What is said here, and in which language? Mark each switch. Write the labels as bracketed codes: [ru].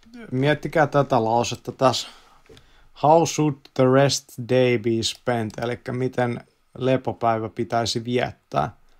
[fi] Miettikää tätä lausetta tässä. [en] How should the rest day be spent? [fi] Eli miten lepopäivä pitäisi viettää?